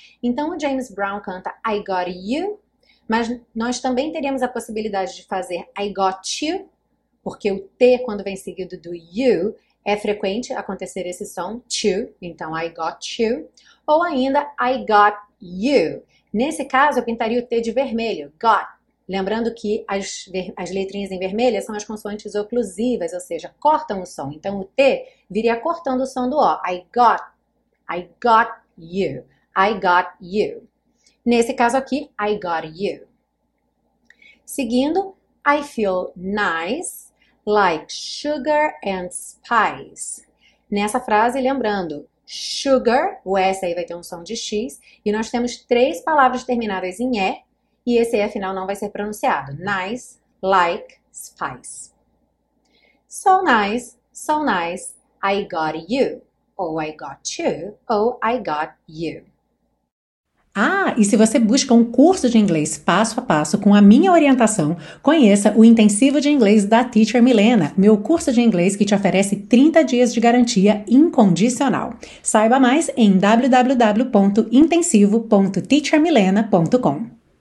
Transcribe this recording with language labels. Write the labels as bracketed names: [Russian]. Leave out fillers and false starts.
[Portuguese] Então o James Brown canta I got you, mas nós também teríamos a possibilidade de fazer I got you, porque o T quando vem seguido do you é frequente acontecer esse som to, então I got you, ou ainda I got you. Nesse caso, eu pintaria o T de vermelho, got. Lembrando que as letrinhas em vermelha são as consoantes oclusivas, ou seja, cortam o som. Então, o T viria cortando o som do O. [English] I got you, I got you. [Portuguese] Nesse caso aqui, I got you. Seguindo, I feel nice, like sugar and spice. Nessa frase, lembrando, sugar, o S aí vai ter um som de X, e nós temos três palavras terminadas em E, e esse E final não vai ser pronunciado. [English] Nice, like, spice. So nice, I got you, ou I got you, ou I got you. [Portuguese] Ah, e se você busca um curso de inglês passo a passo com a minha orientação, conheça o Intensivo de Inglês da Teacher Milena, meu curso de inglês que te oferece 30 dias de garantia incondicional. Saiba mais em www.intensivo.teachermilena.com.